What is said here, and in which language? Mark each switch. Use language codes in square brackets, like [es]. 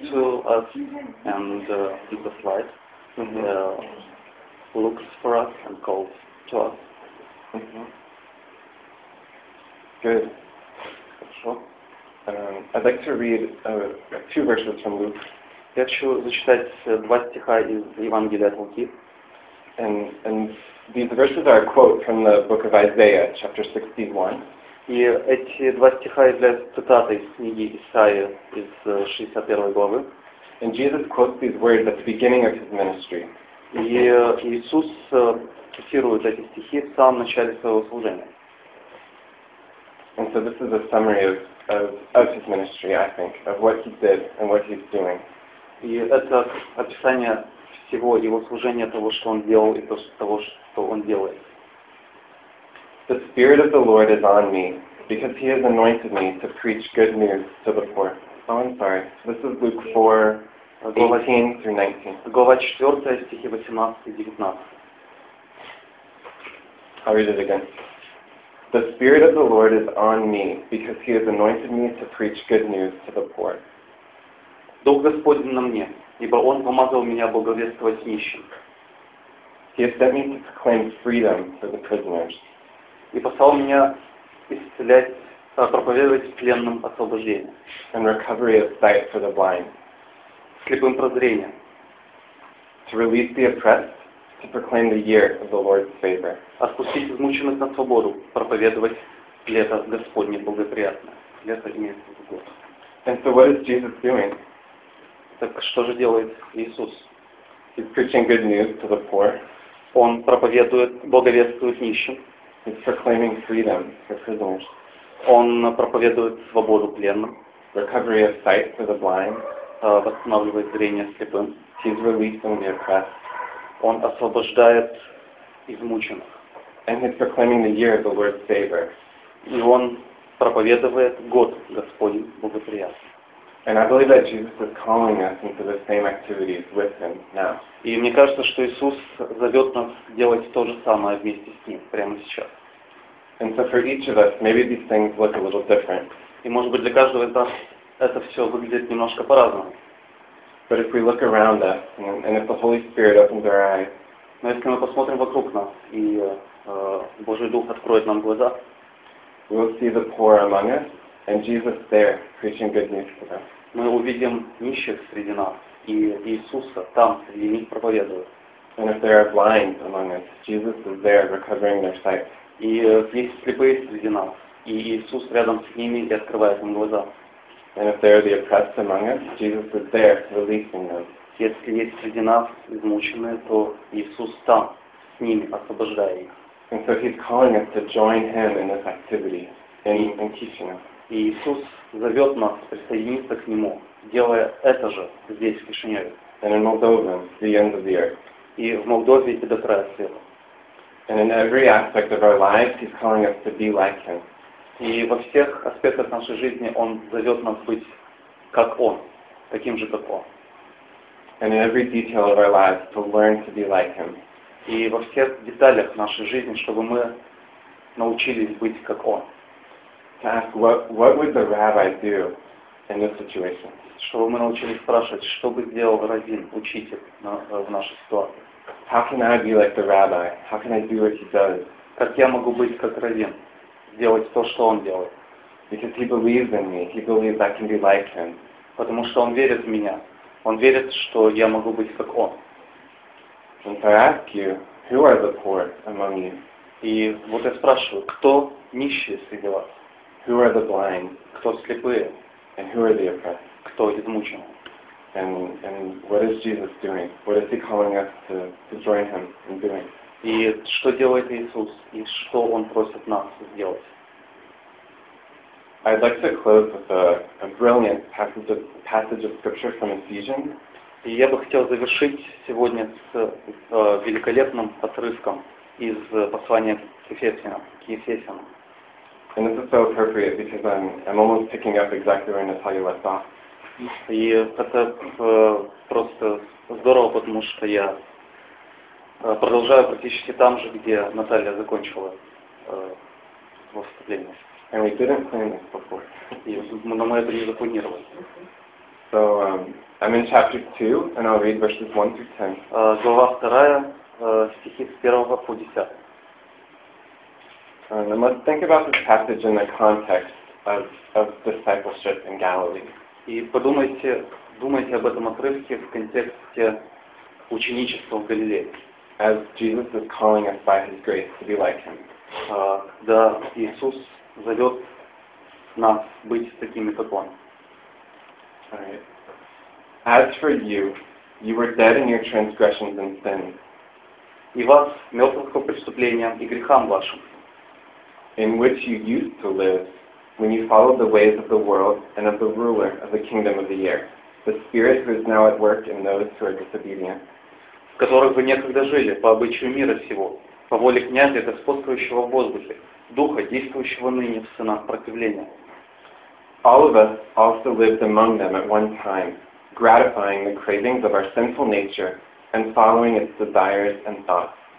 [en] to us and in the slide looks for us and calls to us. Good. I'd like to read two verses from Luke. [ru] Я хочу зачитать два стиха из Евангелия от Луки. [en] And these verses are a quote from the book of Isaiah, chapter 61. [ru] И эти два стиха являются цитатой из книги Исаия из 61 главы. [en] And Jesus quotes these words at the beginning of his ministry. [ru] И Иисус цитирует эти стихи в самом начале своего служения. [en] And so this is a summary of his ministry, I think, of what he did and what he's doing. [ru] И это описание всего его служения, того, что он делал, и того, что он делает. [en] The Spirit of the Lord is on me, because he has anointed me to preach good news to the poor. Oh, I'm sorry. This is Luke 4, 18 through 19. [ru] Глава 4, стихи 18 и 19. [en] I'll read it again. The Spirit of the Lord is on me, because he has anointed me to preach good news to the poor. [ru] Дух Господень на мне, ибо Он помазал меня благовествовать нищим. [en] He has sent me to proclaim freedom for the prisoners. [ru] И послал меня исцелять, проповедовать пленным освобождение. [en] And recovery of sight for the blind. [ru] Слепым прозрение. [en] To release the oppressed, to proclaim the year of the Lord's favor. [ru] Отпустить измученных на свободу, проповедовать лето Господне благоприятное. Лето имеет в год. [en] And so what is Jesus doing? [ru] Так что же делает Иисус? [en] He's preaching good news to the poor. [ru] Он проповедует, благовествует нищим. [en] He's proclaiming freedom for prisoners. [ru] Он проповедует свободу пленным. [en] Recovery of sight for the blind. [ru] Восстанавливает зрение слепым. [en] He's releasing the oppressed. [ru] Он освобождает измученных. [en] And he's proclaiming the year of the Lord's favor. [ru] И он проповедует год Господень благоприятный. [en] And I believe that Jesus is calling us into the same activities with Him now. [ru] И мне кажется, что Иисус зовет нас делать то же самое вместе с Ним прямо сейчас. [en] And so for each of us, maybe these things look a little different. [ru] И может быть для каждого из нас это все выглядит немножко по-разному. [en] But if we look around us, and if the Holy Spirit opens our eyes, [ru] но если мы посмотрим вокруг нас и Божий Дух откроет нам глаза, [en] we'll see the poor among us. And Jesus there preaching good news to them. [ru] Мы увидим нищих среди нас, и Иисуса там среди них проповедует. [en] And if there are blind among us, Jesus is there recovering their sight. [ru] И есть слепые среди нас, и Иисус рядом с ними и открывает им глаза. [en] And if there are the oppressed among us, Jesus is there releasing them. [ru] Если есть среди нас измученные, то Иисус там с ними освобождает их. [en] And so He's calling us to join Him in this activity in teaching us. [ru] И Иисус зовет нас присоединиться к Нему, делая это же здесь, в Кишиневе. [en] And in Moldova, the end of the earth. [ru] И в Молдове и до края света. [en] And in every aspect of our lives, He's calling us to be like Him. [ru] И во всех аспектах нашей жизни Он зовет нас быть как Он, таким же, как Он. [en] And in every detail of our lives, to learn to be like Him. [ru] И во всех деталях нашей жизни, чтобы мы научились быть как Он. [en] To ask what would the rabbi do in this situation? [ru] Чтобы мы научились спрашивать, что бы сделал раввин, учитель в нашей ситуации. [en] How can I be like the rabbi? How can I do what he does? [ru] Как я могу быть как раввин, делать то, что он делает? [en] Because he believes in me. He believes I can be like him. [ru] Потому что он верит в меня. Он верит, что я могу быть как он. [en] And so I ask you, who are the poor among you? [ru] И вот я спрашиваю, кто нищий среди вас? [en] Who are the blind? [ru] Кто слепые? [en] And who are the oppressed? [ru] Кто измученные? [en] And what is Jesus doing? What is He calling us to join Him in doing? [ru] И что делает Иисус? И что Он просит нас сделать? [en] I'd like to close with a brilliant passage of scripture from Ephesians. [ru] И я бы хотел завершить сегодня с великолепным отрывком из послания к Ефесянам. [en] And this is so appropriate because I'm almost picking up exactly where Natalia left off. [ru] И это просто здорово, потому что я продолжаю практически там же, где Наталья закончила свое выступление. [en] And we didn't plan this before. [ru] Но мы это не запланировали. [en] So I'm in chapter 2, and I'll read verses 1 through 10. [ru] Глава 2, стихи с 1 по 10. [en] And let's think about this passage in the context of discipleship in Galilee. [ru] И подумайте, думайте об этом отрывке в контексте ученичества в Галилее. [en] As Jesus is calling us by His grace to be like Him. [ru] Когда Иисус зовет нас быть такими, как Он. [en] Right. As for you, you were dead in your transgressions and sins. [ru] И вас мертвых по преступлениям и грехам вашим. [en] In which you used to live, when you followed the ways of the world and of the ruler of the kingdom of the air, the spirit who is now at work in those who are disobedient. [ru] В которых вы некогда жили по обычаю мира сего, по воле князя господствующего в воздухе, духа действующего ныне в сынах противления. [en] All of us also lived among them at one time, gratifying the cravings of our sinful nature and following its desires and thoughts.